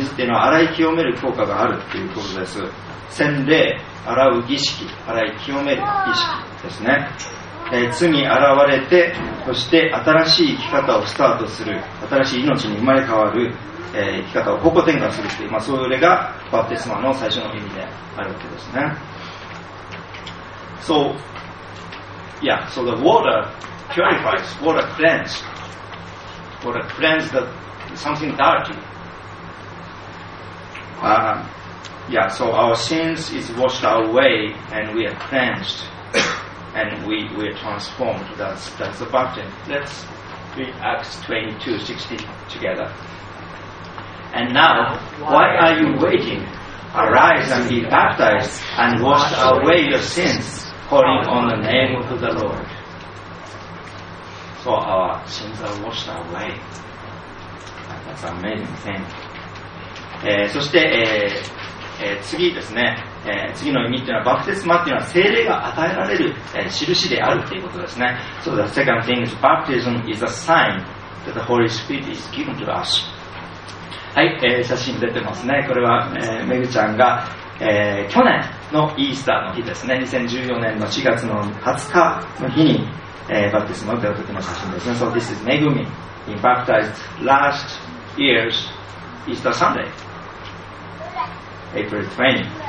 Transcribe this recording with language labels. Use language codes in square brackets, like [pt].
[ja] 水っていうのは洗い清める効果があるっていうことです。洗礼、洗う儀式、洗い清める儀式ですね。罪洗われて、そして新しい生き方をスタートする、新しい命に生まれ変わる、生き方を方向転換するっていう、まあ、それがバプテスマの最初の意味であるわけですね。 [en] So, yeah, so the water purifies, water cleanses the something dirty. So our sins is washed away and we are cleansed and we are transformed. That's the baptism. Let's read Acts 22:16 together. And now, why are you waiting? Arise and be baptized and wash away your sins. Calling on the name of the Lord. So our sins are washed away. That's an amazing thing. [ja] そして、次ですね、次の意味というのは、バプテスマというのは聖霊が与えられる、印であるということですね。 [en] So the second thing is baptism is a sign that the Holy Spirit is given to us. [ja] はい、写真出てますね。これは、めぐちゃんが、去年のイースターの日ですね、2014年の4月の20日の日に、バプテスマを受けた時の写真ですね。 [en] So this is Megumi being baptized last year's Easter Sunday April 20.